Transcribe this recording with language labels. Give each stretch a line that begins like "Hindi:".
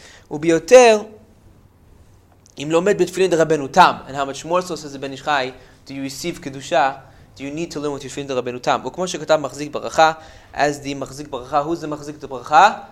Hebrew: וביותר, אם לומד בתפילין דרבנו תם.
English: And how much more so, says the Ben Ishchai, do you receive קדושה? Do you need to learn with תפילין דרבנו תם?
Hebrew: וכמו שכתב מחזיק ברכה,
English: as the מחזיק ברכה, who's the מחזיק ברכה?